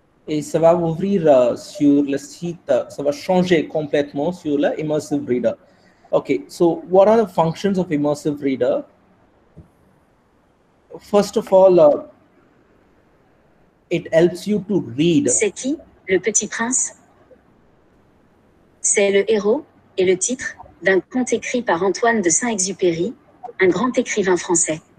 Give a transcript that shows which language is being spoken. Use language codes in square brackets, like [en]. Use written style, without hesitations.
[fr] Et ça va ouvrir sur le site, ça va changer complètement sur le Immersive Reader. [en] OK, so what are the functions of Immersive Reader? First of all, it helps you to read. [fr] C'est qui, le petit prince? C'est le héros et le titre d'un conte écrit par Antoine de Saint-Exupéry, un grand écrivain français.